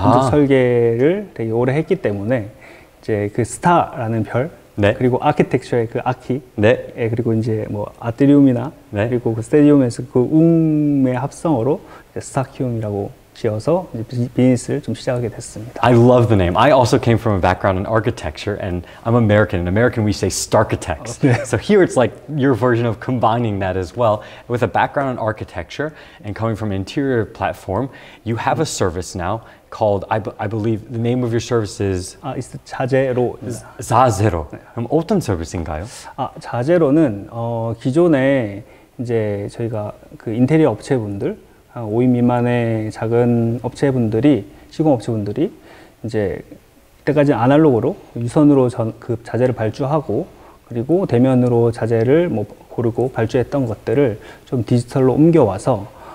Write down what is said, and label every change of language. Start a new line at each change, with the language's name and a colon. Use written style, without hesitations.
Korean: 건축 설계를 되게 오래 했기 때문에 이제 그 스타라는 별 네. 그리고 아키텍처의 그 아키 네. 예, 그리고 이제 뭐 아트리움이나 네. 그리고 그 스테디움에서 그 웅의 합성어로 스타키움이라고 지어서 이제 비즈니스를 좀 시작하게 됐습니다.
English: I love the name. I also came from a background in architecture and I'm American. In American we say Starkitects. So here it's like your version of combining that as well. With a background in architecture and coming from an interior platform, you have a service now called, I believe the name of your service is? It's 자제로.
Korean: 자제로. 그럼 어떤 서비스인가요? 자제로는 기존에 이제 저희가 그 인테리어 업체분들 5인 미만의 작은 업체분들이, 시공 업체분들이, 이제, 이때까지 아날로그로, 유선으로 그 자재를 발주하고, 그리고 대면으로 자재를 뭐 고르고 발주했던 것들을 좀 디지털로 옮겨와서,